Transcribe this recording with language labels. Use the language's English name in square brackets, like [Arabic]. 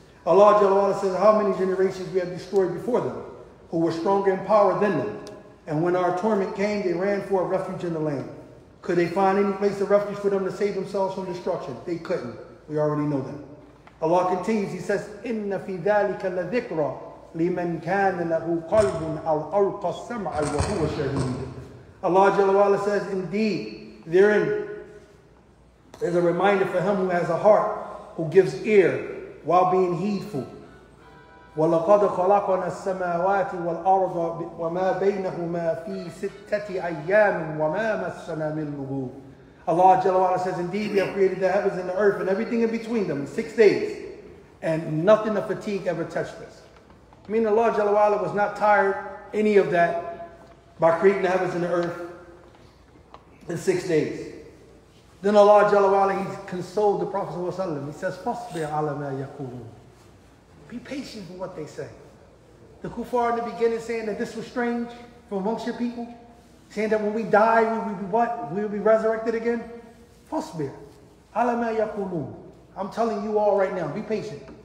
[English] Allah Jalla wa'ala says, how many generations we have destroyed before them, who were stronger in power than them. And when our torment came, they ran for a refuge in the land. Could they find any place of refuge for them to save themselves from destruction? They couldn't. We already know that. Allah continues, He says, [Arabic] إِنَّ فِي ذَلِكَ لَذِكْرَ لِمَنْ كَانَ لَهُ قَلْبٌ أَوْ أَلْقَ السَّمْعَ وَهُوَ شَهِيدٌ. [English] Allah Jalla wa'ala says, indeed, therein is a reminder for him who has a heart, who gives ear while being heedful. [Arabic] وَلَقَدْ خَلَقْنَا السَّمَاوَاتِ وَالْأَرْضَ وَمَا بَيْنَهُمَا فِي سِتَّةِ أَيَّامٍ وَمَا مَسَّنَا مِنْ لُغُوبٍ. [English] Allah Jalla wa'ala says, indeed, we have created the heavens and the earth and everything in between them in 6 days, and nothing of fatigue ever touched us. I mean, Allah Jalla wa'ala was not tired, any of that, by creating the heavens and the earth in 6 days. Then Allah Jalla wa'ala, He consoled the Prophet ﷺ. He says, [Arabic] فَصْبِعْ عَلَى مَا يَقُولُونَ. [English] Be patient with what they say. The kuffar in the beginning saying that this was strange from amongst your people, saying that when we die, we will be what? We will be resurrected again? [Arabic] Fasbir. Ala ma yaqulun. [English] I'm telling you all right now, be patient.